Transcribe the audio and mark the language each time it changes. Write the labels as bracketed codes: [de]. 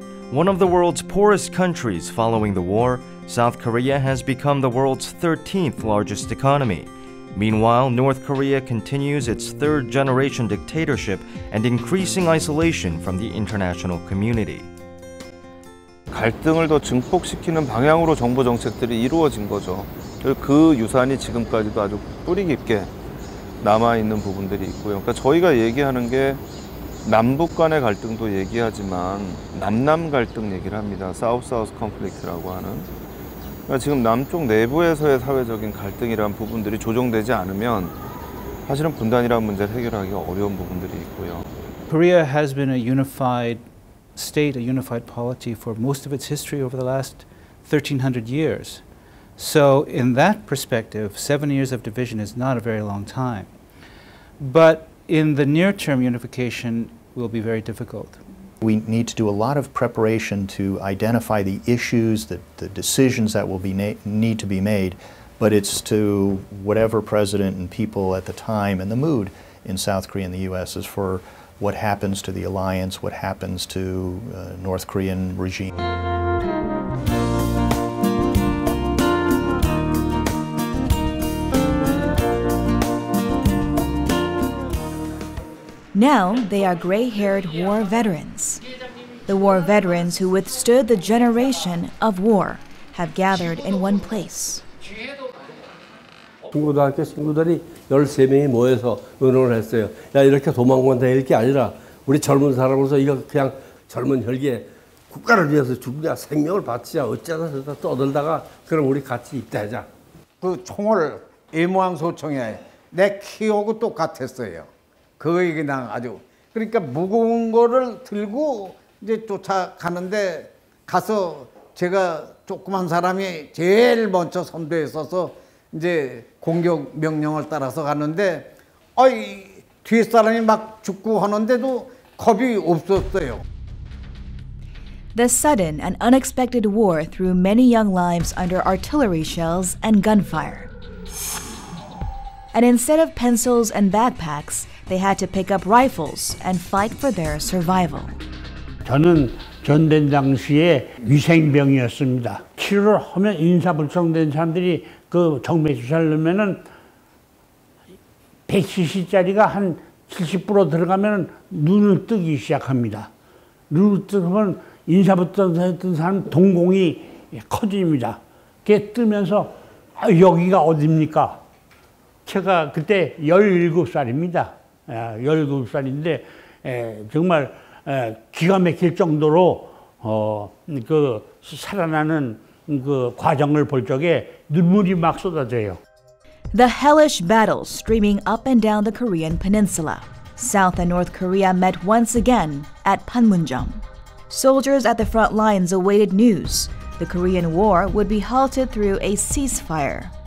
[en] One of the world's poorest countries following the war, South Korea has become the world's 13th largest economy. Meanwhile, North Korea continues its third-generation dictatorship and increasing isolation from the international community. [ko] 갈등을 더 증폭시키는 방향으로 정부 정책들이 이루어진 거죠. 그 유산이 지금까지도 아주 뿌리 깊게 남아 있는 부분들이 있고요. 그러니까 저희가 얘기하는 게 남북 간의 갈등도 얘기하지만 남남 갈등 얘기를 합니다. 사우스 컨플릭트라고 하는. 그러니까 지금 남쪽 내부에서의 사회적인 갈등이란 부분들이 조정되지 않으면 사실은 분단이라는 문제를 해결하기 어려운 부분들이 있고요. [en] Korea has been a unified state, a unified polity for most of its history over the last 1300 years. So in that perspective, 7 years of division is not a very long time. But in the near term, unification will be very difficult. We need to do a lot of preparation to identify the issues, the decisions that will be need to be made, but it's to whatever president and people at the time and the mood in South Korea and the U.S. is for what happens to the alliance, what happens to North Korean regime. Now, they are gray-haired war veterans. The war veterans who withstood the generation of war have gathered in one place. [ko] 중고등학교 친구들이 13명이 모여서 의논을 했어요. 야, 이렇게 도망간 다 이럴 게 아니라 우리 젊은 사람으로서 이거 그냥 젊은 혈기에 국가를 위해서 죽냐, 생명을 바치자, 어쩌다 저쩌다 떠들다가 그럼 우리 같이 입대하자. 그 총을 임무항 소총에 내 키하고 똑같았어요. 그 얘기 나 아주 그러니까 무거운 거를 들고 이제 쫓아가는데 가서 제가 조그만 사람이 제일 먼저 선두에 서서 이제 공격 명령을 따라서 갔는데 어이 뒤 사람이 막 죽고 하는데도 겁이 없었어요. [en] The sudden and unexpected war threw many young lives under artillery shells and gunfire. And instead of pencils and backpacks, they had to pick up rifles and fight for their survival. [ko] 저는 전쟁 당시에 위생병이었습니다. 치료를 하면 인사불성된 사람들이 그 정맥주사를 넣으면은 170짜리가 한 70% 들어가면 눈을 뜨기 시작합니다. 눈을 뜨면 인사불성했던 사람 동공이 커집니다. 그게 뜨면서 아, 여기가 어딥니까? 제가 그때 17살입니다. 17살인데 정말 기가 막힐 정도로 그 살아나는 그 과정을 볼 적에 눈물이 막 쏟아져요. [en] The hellish battles streaming up and down the Korean Peninsula. South and North Korea met once again at Panmunjom. Soldiers at the front lines awaited news. The Korean War would be halted through a ceasefire.